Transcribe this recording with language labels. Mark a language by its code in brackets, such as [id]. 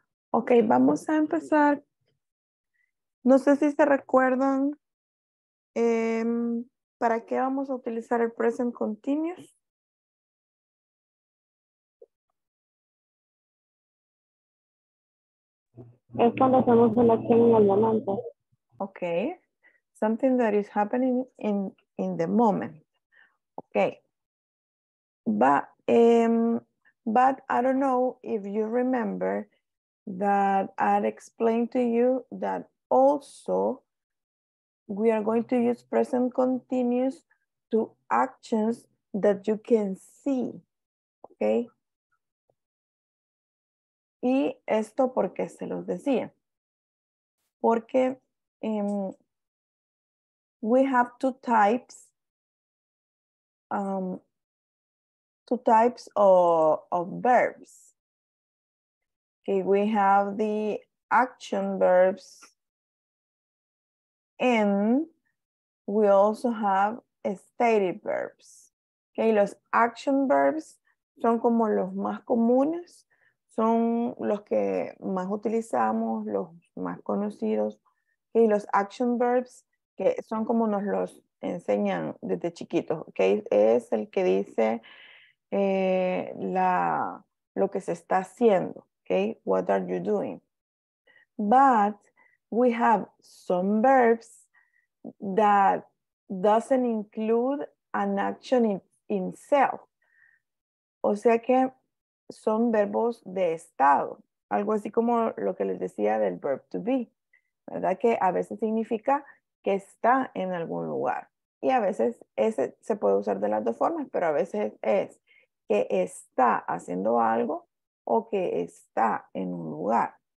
[es] Ok, vamos a empezar. No sé si se recuerdan para qué vamos a utilizar el present continuous. Es cuando hacemos una acción en el momento. [en] Ok, something that is happening in the moment. Ok, but I don't know if you remember that I'd explain to you that also we are going to use present continuous to actions that you can see, okay? [es] Y esto porque se los decía, porque [en] we have two types of verbs. Okay, we have the action verbs and we also have stated verbs. [es] Okay, los action verbs son como los más comunes, son los que más utilizamos, los más conocidos. Okay, los action verbs que son como nos los enseñan desde chiquitos. Okay, es el que dice lo que se está haciendo. [en] Okay, what are you doing? But we have some verbs that doesn't include an action in itself. [es] O sea que son verbos de estado. Algo así como lo que les decía del verb to be. ¿Verdad? Que a veces significa que está en algún lugar. Y a veces ese se puede usar de las dos formas, pero a veces es que está haciendo algo o que está en un lugar.